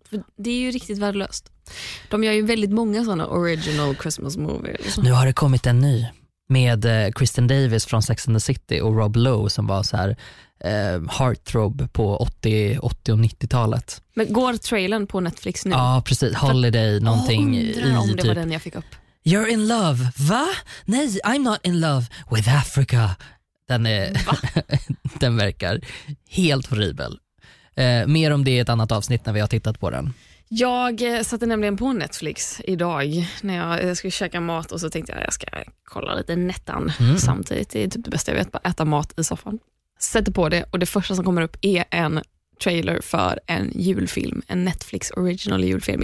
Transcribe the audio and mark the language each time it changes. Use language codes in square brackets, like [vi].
[sv] För det är ju riktigt värdelöst. De gör ju väldigt många såna original Christmas movies. Nu har det kommit en ny med Kristen Davis från Sex and the City och Rob Lowe som var så här heartthrob på 80 och 90-talet. Men går trailern på Netflix nu? Ja, precis. Holiday någonting. Jag undrar om det var den jag fick upp. [en] You're in love. [sv] Va? [en] Nej, I'm not in love with Africa. [sv] Den är den verkar helt horribel. Mer om det i ett annat avsnitt när vi har tittat på den. Jag satte nämligen på Netflix idag när jag skulle käka mat och så tänkte jag att jag ska kolla lite Nettan samtidigt. Det är typ det bästa jag vet, bara äta mat i soffan. Sätter på det och det första som kommer upp är en trailer för en julfilm, en Netflix original julfilm.